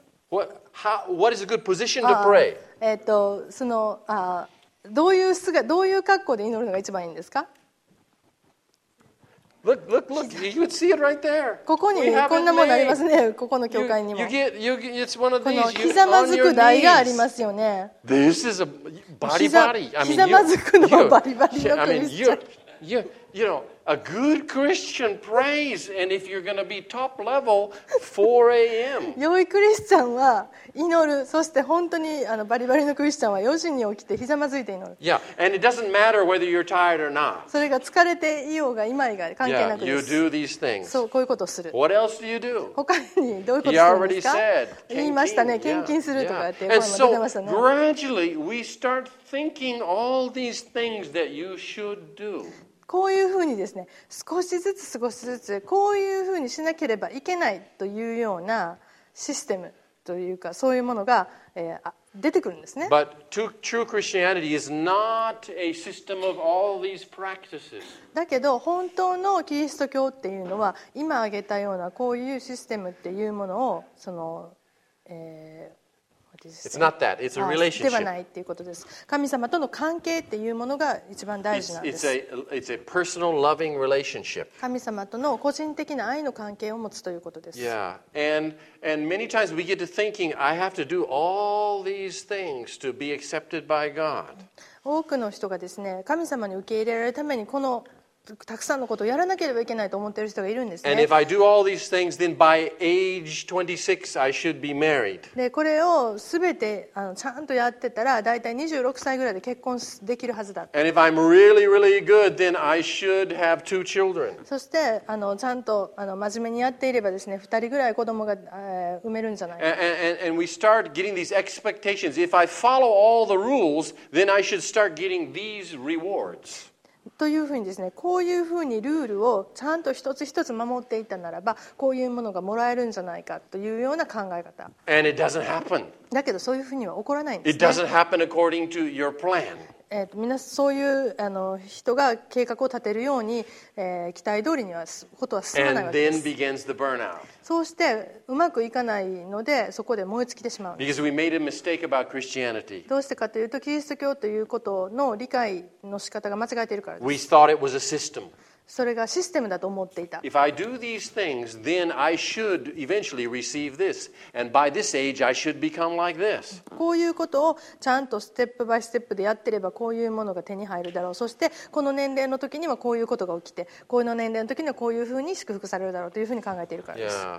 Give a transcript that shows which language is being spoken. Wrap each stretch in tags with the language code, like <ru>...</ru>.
<en>What is a good position to pray?</en> <ja>どういう格好で祈るのが一番いいんですか。</ja> <en>Look, you would see it right there.</en> <ja>ここに、ね、こんなものありますね。ここの教会にも。</ja> <en>It's one of these.</en> <ja>このひざまずく台がありますよね。</ja> <en>This is a body body.</en> <ja>ひざまずくのバリバリのクリスチャン。</ja> <en>You know, a good Christian prays, and if you're going to be top level, 4 a.m.</en> <ja>良いクリスチャンは祈る。そして本当にあのバリバリのクリスチャンは4時に起きてひざまずいて祈る。</ja> <en>Yeah, and it doesn't matter whether you're tired or not.</en> <ja>それが疲れていようがいまいが関係なくです。</ja> <en>Yeah, you do these things.</en> <ja>そう、こういうことをする。</ja> <en>What else do you do?</en> <ja>他にどういうことをするんですか。</ja> <en>He already said,</en> <ja>言いましたね、献金するとかって声も出てましたね。</ja> <en>And so, gradually, we start thinking all these things that you should do.</en> <ja>こういうふうにですね、少しずつ少しずつこういうふうにしなければいけないというようなシステムというか、そういうものが、出てくるんですね。</ja> <en>But true Christianity is not a system of all these practices.</en> <ja>だけど本当のキリスト教っていうのは、今挙げたようなこういうシステムっていうものを、その、</ja> <en>It's not that. It's a relationship.</en> <ja>ではないっていうことです。神様との関係っていうものが一番大事なんです。</ja> <en>It's a personal loving relationship.</en> <ja>神様との個人的な愛の関係を持つということです。</ja> <en>Yeah, and many times we get to thinking, I have to do all these things to be accepted by God.</en> <ja>多くの人がですね、神様に受け入れられるためにこのたくさんのことをやらなければいけないと思っている人がいるんですね。</ja> <en>And if I do all these things, then by age 26, I should be married.</en> <ja>で、これをすべてあのちゃんとやってたら、だいたい26歳ぐらいで結婚できるはずだ。</ja> <en>And if I'm really, really good, then I should have two children.</en> <ja>そしてあのちゃんとあの真面目にやっていればですね、2人ぐらい子供が、産めるんじゃないか。</ja> <en>And we start getting these expectations. If I follow all the rules, then I should start getting these rewards.</en> <ja>というふうにですね、こういうふうにルールをちゃんと一つ一つ守っていたならば、こういうものがもらえるんじゃないかというような考え方。</ja> <en>And it doesn't happen.</en> <ja>だけどそういうふうには起こらないんですね。</ja> <en>It doesn't happen according to your plan.</en> <ja>みんなそういう人が計画を立てるように、期待通りにはことは進まないわけです。そうしてうまくいかないのでそこで燃え尽きてしまうんです。</ja> <en>Because we made a mistake about Christianity.</en> <ja>どうしてかというとキリスト教ということの理解の仕方が間違えているからです。</ja> <en>We thought it was a system.</en> <ja>それがシステムだと思っていた。</ja> <en>If I do these things, then I should eventually receive this. And by this age, I should become like this.</en> <ja>こういうことをちゃんとステップバイステップでやってればこういうものが手に入るだろう。そしてこの年齢の時にはこういうことが起きて、この年齢の時にはこういうふうに祝福されるだろうというふうに考えているからです。</ja>